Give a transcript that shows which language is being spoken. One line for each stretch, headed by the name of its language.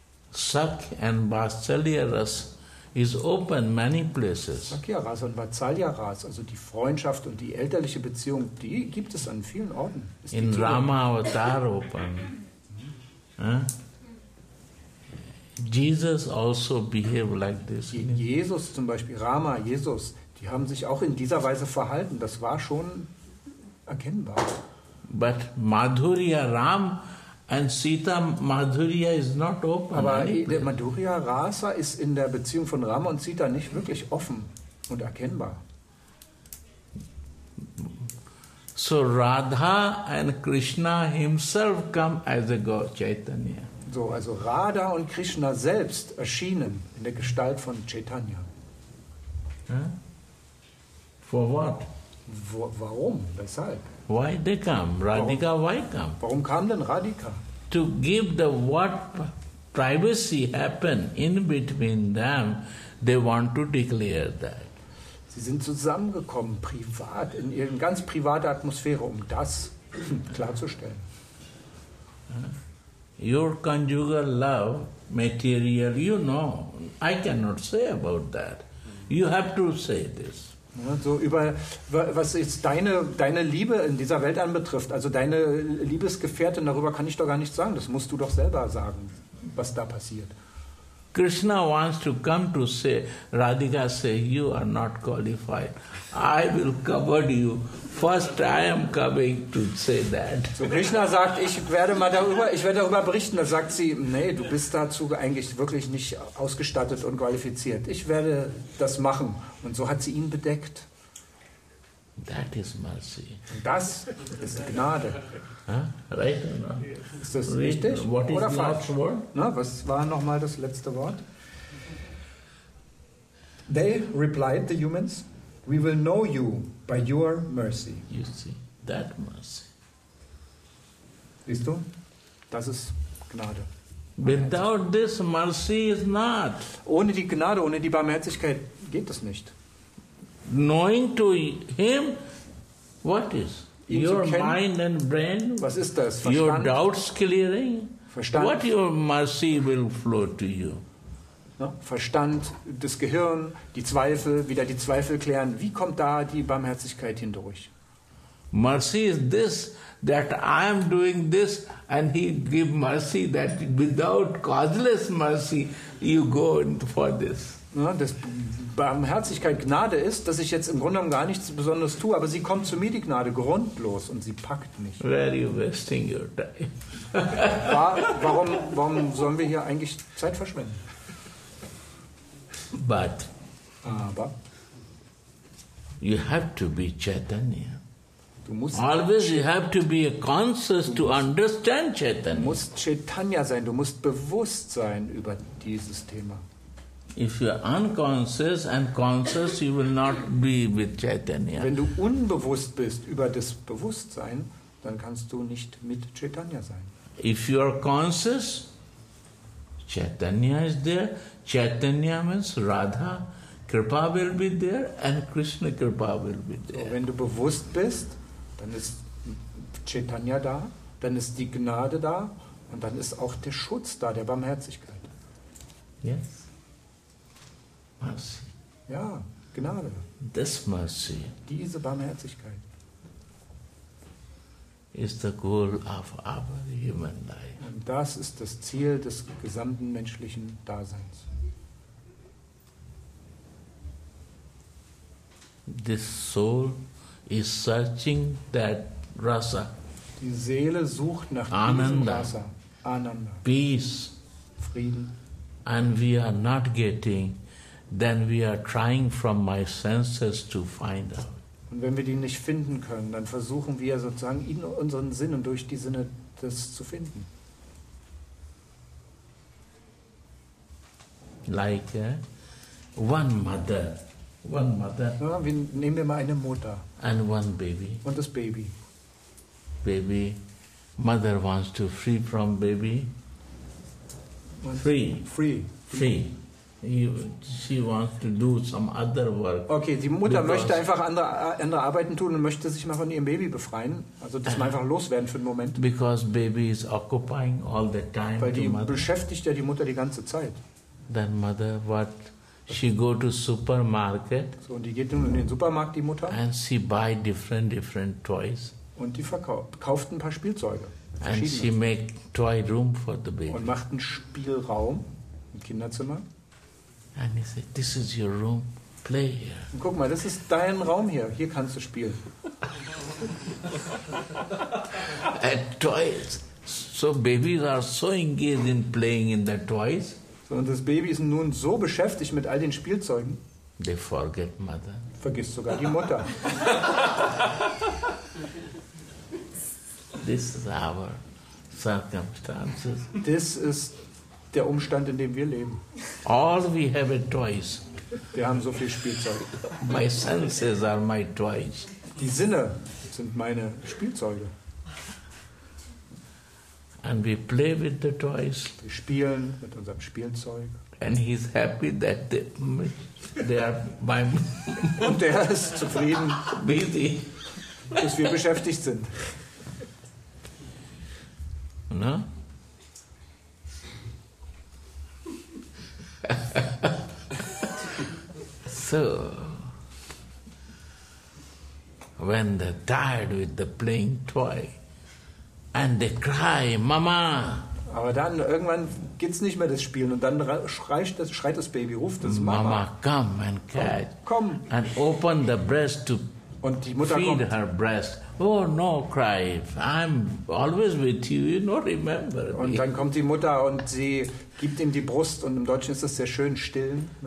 English: Sakya and Vatsalya ras is open many places.
German: Sakya rasa und Vatsalya rasa, also die Freundschaft und die elterliche Beziehung, die gibt es an vielen Orten.
English: Ist in Rama Avatar open. Jesus also behaved like this.
German: Jesus zum Beispiel, Rama, Jesus, die haben sich auch in dieser Weise verhalten. Das war schon erkennbar.
English: But Madhurya Ram and Sita Madhurya is not open.
German: Aber der Madhurya Rasa ist in der Beziehung von Rama und Sita nicht wirklich offen und erkennbar.
English: So Radha and Krishna himself come as a God Chaitanya.
German: So, also Radha und Krishna selbst erschienen in der Gestalt von Chaitanya.
English: For what?
German: Warum? Weshalb?
English: Why they come? Radhika, why come?
German: Warum kam denn Radhika?
English: To give the what privacy happen in between them, they want to declare that.
German: Sie sind zusammengekommen, privat, in ihren ganz private Atmosphäre, um das klarzustellen.
English: Your conjugal love, material, you know. I cannot say about that. You have to say this.
German: Ja, so über, was jetzt deine Liebe in dieser Welt anbetrifft, also deine Liebesgefährtin, darüber kann ich doch gar nichts sagen. Das musst du doch selber sagen, was da passiert.
English: Krishna wants to come to say, Radhika say, you are not qualified. I will cover you. First I am coming to say that.
German: So Krishna sagt, ich werde darüber berichten. Da sagt sie, nee, du bist dazu eigentlich wirklich nicht ausgestattet und qualifiziert. Ich werde das machen. Und so hat sie ihn bedeckt.
English: That is mercy.
German: Das ist Gnade.
English: Huh? Right or not?
German: Ist das richtig?
English: What is
German: oder falsch?
English: Word?
German: Na, was war nochmal das letzte Wort?
English: They replied, the humans, we will know you by your mercy. You see, that mercy.
German: Siehst du? Das ist Gnade.
English: Without this mercy is not.
German: Ohne die Gnade, ohne die Barmherzigkeit geht das nicht.
English: Knowing to him, what is?
German: Ihn
English: your mind and brain?
German: Was ist das? Verstand?
English: Your doubts clearing?
German: Verstand?
English: What your mercy will flow to you? No?
German: Verstand, das Gehirn, die Zweifel, wieder die Zweifel klären. Wie kommt da die Barmherzigkeit hindurch?
English: Mercy is this, that I am doing this, and he give mercy, that without causeless mercy, you go for this.
German: Ja, das Barmherzigkeit, Gnade ist, dass ich jetzt im Grunde genommen gar nichts Besonderes tue, aber sie kommt zu mir, die Gnade, grundlos, und sie packt mich.
English: Where are you wasting your time?
German: Warum sollen wir hier eigentlich Zeit verschwenden?
English: But.
German: Aber.
English: You have to be Chaitanya.
German: Du musst
English: always you have to be a conscious to understand Chaitanya.
German: Du musst Chaitanya sein, du musst bewusst sein über dieses Thema.
English: If you are unconscious and conscious, you will not be with Chaitanya.
German: Wenn du unbewusst bist über das Bewusstsein, dann kannst du nicht mit Chaitanya sein.
English: If you are conscious, Chaitanya is there. Chaitanya means Radha. Kripa will be there and Krishna Kripa will be there.
German: So, wenn du bewusst bist, dann ist Chaitanya da, dann ist die Gnade da und dann ist auch der Schutz da, der Barmherzigkeit.
English: Yes. Mercy.
German: Ja, Gnade.
English: This mercy.
German: Diese Barmherzigkeit.
English: Is the goal of our human life.
German: Und das ist das Ziel des gesamten menschlichen Daseins.
English: This soul is searching that rasa.
German: Die Seele sucht nach Ananda, diesem Rasa. Ananda.
English: Peace.
German: Frieden.
English: And we are not getting, then we are trying from my senses to find out.
German: Und wenn wir die nicht finden können, dann versuchen wir sozusagen in unseren Sinnen durch die Sinne das zu finden.
English: Like one mother.
German: Ja, nehmen wir mal eine Mutter.
English: And one baby.
German: Und das Baby.
English: Baby, mother wants to free from baby. Free. She wants to do some other work.
German: Okay, die Mutter möchte einfach andere Arbeiten tun und möchte sich mal von ihrem Baby befreien. Also das mal einfach loswerden für einen Moment.
English: Because baby is occupying all the time.
German: Weil die mother. Beschäftigt ja die Mutter die ganze Zeit.
English: Then mother, what? She go to supermarket.
German: So, und die geht nun in den Supermarkt, die Mutter.
English: And she buy different toys.
German: Und die kauft ein paar Spielzeuge.
English: And she make toy room for the baby.
German: Und macht einen Spielraum, ein Kinderzimmer.
English: And he said, this is your room, play here.
German: Und guck mal, das ist dein Raum hier. Hier kannst du spielen.
English: And toys. So babies are so engaged in playing in the toys.
German: So, und das Baby ist nun so beschäftigt mit all den Spielzeugen.
English: They forget mother.
German: Vergisst sogar die Mutter.
English: This is our circumstances. This is
German: der Umstand, in dem wir leben.
English: All we have are toys.
German: Wir haben so viel Spielzeug.
English: My senses are my toys.
German: Die Sinne sind meine Spielzeuge.
English: And we play with the toys.
German: Wir spielen mit unserem Spielzeug.
English: And he's happy that they are my.
German: Und der ist zufrieden,
English: busy,
German: dass wir beschäftigt sind.
English: Na? No? So, when they're tired with the playing toy, and they cry, Mama.
German: Aber dann irgendwann geht's nicht mehr das Spielen und dann schreit das Baby, ruft das Mama.
English: Mama, come and catch.
German: Komm.
English: And open the breast to
German: und die Mutter
English: feed
German: kommt.
English: Her breast. Oh no, cry! I'm always with you. You don't remember.
German: Und dann kommt die Mutter und sie gibt ihm die Brust und im Deutschen ist das sehr schön stillen.